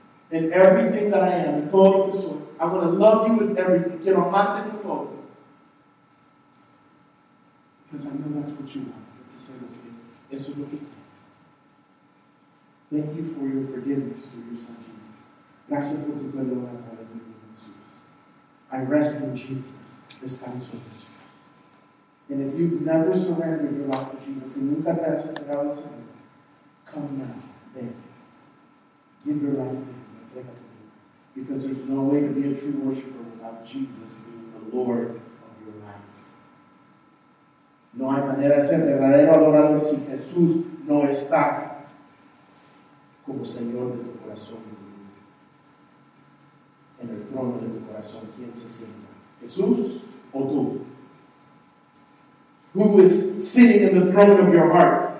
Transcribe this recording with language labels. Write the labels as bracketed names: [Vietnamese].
[English] In everything that I am, [Spanish] in todo lo que soy. [English] I want to love you with everything. [Spanish] Quiero amarte con todo. [English] Because I know that's what you want. [Spanish] Lo que sea lo que es. Eso es lo que quiero. [English] Thank you for your forgiveness through your Son Jesus. [Spanish] Gracias por tu perdón a través de Jesús. [English] I rest in Jesus. [Spanish] Descanso en Jesús. [English] And if you've never surrendered your life to Jesus, [Spanish] y nunca te has entregado al Señor, [English] come now, then. Give your life to Him. [Spanish] Entrega tu vida. [English] Because there's no way to be a true worshiper without Jesus being the Lord of your life. [Spanish] No hay manera de ser verdadero adorador si Jesús no está como Señor de tu corazón. En el trono de tu corazón, ¿quién se sienta? ¿Jesús o tú? [English] Who is sitting in the throne of your heart?